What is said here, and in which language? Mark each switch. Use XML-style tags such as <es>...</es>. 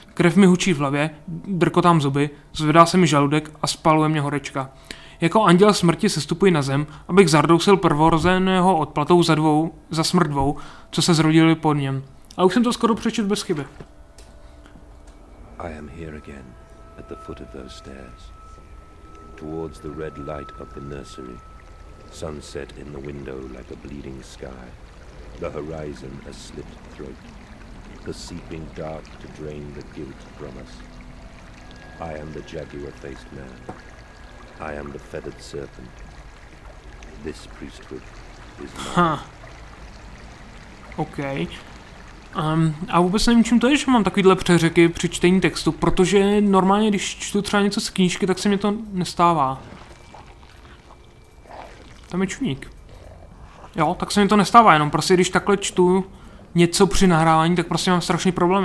<cs>Krev mi hučí v hlavě, drkotám zuby, zvedá se mi žaludek a spaluje mě horečka. Jako anděl smrti sestupuji na zem, abych zardousil prvorozeného odplatou za smrt dvou, co se zrodili pod něm. A už jsem to skoro přečet bez chyby.</cs> <en>I am here again. At the foot of those stairs, towards the red light of the nursery, sunset in the window like a bleeding sky, the horizon a slit throat, the seeping dark to drain the guilt from us. I am the jaguar-faced man. I am the feathered serpent. This priesthood is mine. Okay.</en> <cs>A vůbec nevím, čím to je, že mám takovýhle přeřeky při čtení textu, protože normálně, když čtu třeba něco z knížky, tak se mi to nestává. Tam je čuník. Jo, tak se mi to nestává, jenom prostě, když takhle čtu něco při nahrávání, tak prostě mám strašný problém.</cs>